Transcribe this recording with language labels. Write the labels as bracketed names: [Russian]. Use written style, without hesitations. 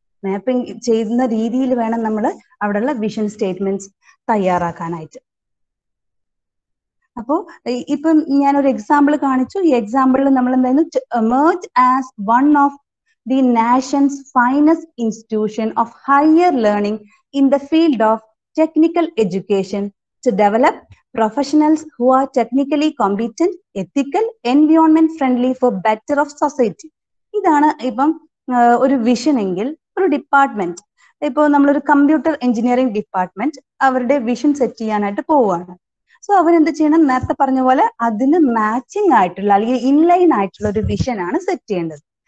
[Malayalam] Mapping ചെയ്യുന്ന രീതിയിൽ വേണം നമ്മൾ അവിടെയുള്ള വിഷൻ സ്റ്റേറ്റ്മെന്റ്സ് തയ്യാറാക്കാനായിട്ട്. അപ്പോ ഇപ്പം ഞാനൊരു എക്സാമ്പിൾ കാണിച്ചു. ഈ എക്സാമ്പിളിൽ നമ്മൾ എന്തായിരുന്നു, [English] Emerge as one of the nation's finest institution of higher learning in the field of technical education to develop professionals who are technically competent, ethical, environment friendly for better of society. [Malayalam] ഇതാണ് ഇപ്പം ഒരു vision എങ്കിൽ ഒരു department ഇപ്പോൾ നമ്മളൊരു computer engineering department അവരുടെ vision set ചെയ്യാനായിട്ട് പോവുകയാണ്. സോ അവരെന്ത് ചെയ്യണം, നേരത്തെ പറഞ്ഞ പോലെ അതിന് മാച്ചിങ് ആയിട്ടുള്ള അല്ലെങ്കിൽ ഇൻലൈൻ ആയിട്ടുള്ള ഒരു വിഷനാണ് സെറ്റ് ചെയ്യേണ്ടത്.